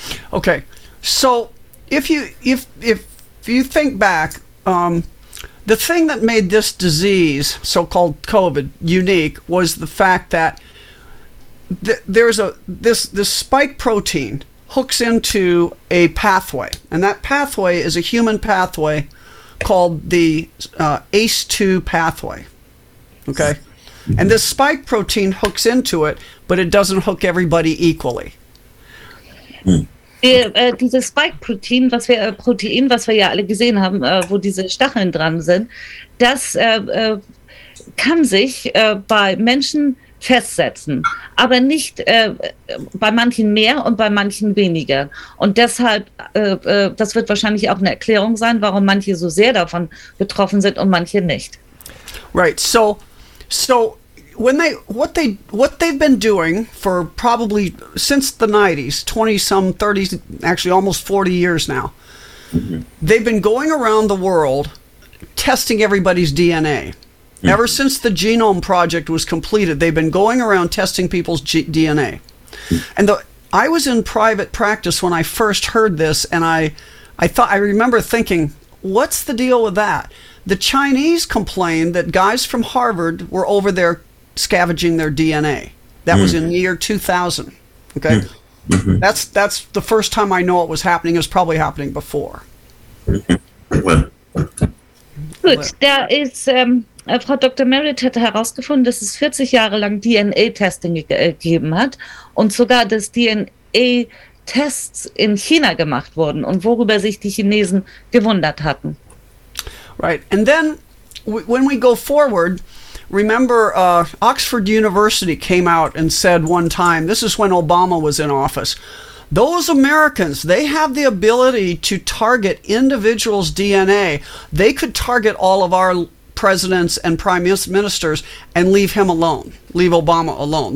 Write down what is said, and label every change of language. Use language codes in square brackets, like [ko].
[en] Okay, so if you think back, the thing that made this disease, so-called COVID, unique was the fact that there's this spike protein hooks into a pathway, and that pathway is a human pathway called the ACE2 pathway. Okay, and this spike protein hooks into it, but it doesn't hook everybody equally. [de] Dieses Spike-Protein, was wir ja alle gesehen haben, wo diese Stacheln dran sind, das kann sich bei Menschen festsetzen, aber nicht bei manchen mehr und bei manchen weniger. Und deshalb, das wird wahrscheinlich auch eine Erklärung sein, warum manche so sehr davon betroffen sind und manche nicht. [en] Right. So what they've been doing for probably since the 90s, 20 some 30s, actually almost 40 years now, they've been going around the world testing everybody's DNA. Ever since the Genome Project was completed, they've been going around testing people's DNA. And I was in private practice when I first heard this, and I remember thinking, what's the deal with that? The Chinese complained that guys from Harvard were over there scavenging their DNA. That was in the year 2000. Okay. That's the first time I know it was happening. It was probably happening before. [de] Gut, da ist Frau Dr. Merritt hat herausgefunden, dass es 40 Jahre lang DNA-Testing gegeben hat und sogar, dass DNA-Tests in China gemacht wurden und worüber sich die Chinesen gewundert hatten. [en] Right. And then when we go forward, remember, Oxford University came out and said one time, this is when Obama was in office, those Americans, they have the ability to target individuals' DNA. They could target all of our presidents and prime ministers and leave him alone, leave Obama alone.